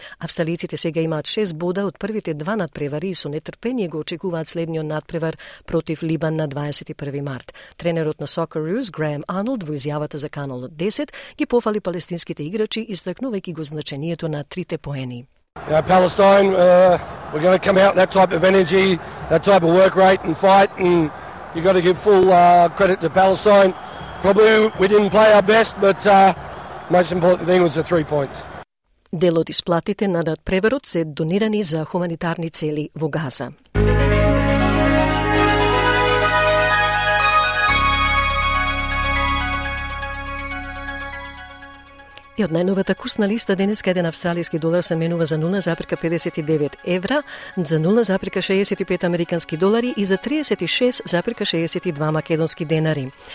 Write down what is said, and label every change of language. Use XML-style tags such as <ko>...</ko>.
<mk>Австралиците сега имаат 6 бода од првите два надпревари и со нетрпение го очекуваат следниот надпревар против Либан на 21 март. Тренерот на Socceroos Грајм Арнолд во изјавата за Канал 10 ги пофали палестинските играчи, истакнувајќи го значењето на трите поени.</mk> <en>Yeah, Palestine, we're going to come out that type of energy, that type of work rate and fight, and you got to give full credit to Palestine. Probably we didn't play our best, but most important thing was the three points.</en> <mk>Дел од исплатите на надпреварот се донирани за хуманитарни цели во Газа. И од најновата курсна листа денеска еден австралијски долар се менува за 0,59 евра, за 0,65 американски долари и за 36,62 македонски денари.</mk>